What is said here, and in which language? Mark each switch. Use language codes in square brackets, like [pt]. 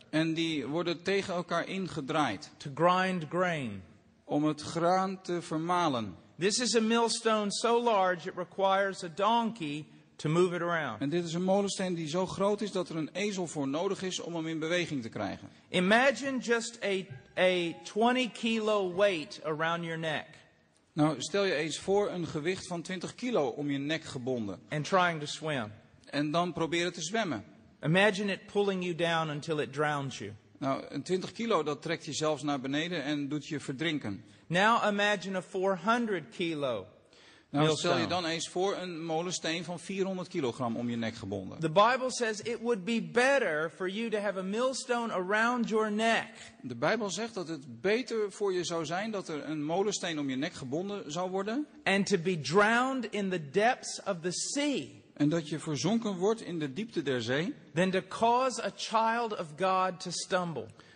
[nl] En die worden tegen elkaar ingedraaid. [en] To grind grain. [nl] om het graan te vermalen. [en] This is a millstone so large it requires a donkey to move it around. [nl] En dit is een molensteen die zo groot is dat er een ezel voor nodig is om hem in beweging te krijgen. [en] Imagine just a 20 kilo weight around your neck. [nl] Nou, stel je eens voor een gewicht van 20 kilo om je nek gebonden. [en] And trying to swim. [nl] En dan proberen te zwemmen. [en] Imagine it pulling you down until it drowns you. [nl] Nou, een 20 kilo dat trekt je zelfs naar beneden en doet je verdrinken. [en] Now imagine a 400 kilo. [nl] Nou, stel je dan eens voor een molensteen van 400 kilogram om je nek gebonden. [en] The Bible says it would be better for you to have a millstone around your neck. [nl] De Bijbel zegt dat het beter voor je zou zijn dat er een molensteen om je nek gebonden zou worden. [en] And to be drowned in the depths of the sea. [nl] En dat je verzonken wordt in de diepte der zee. [en] Than to cause a child of God to stumble.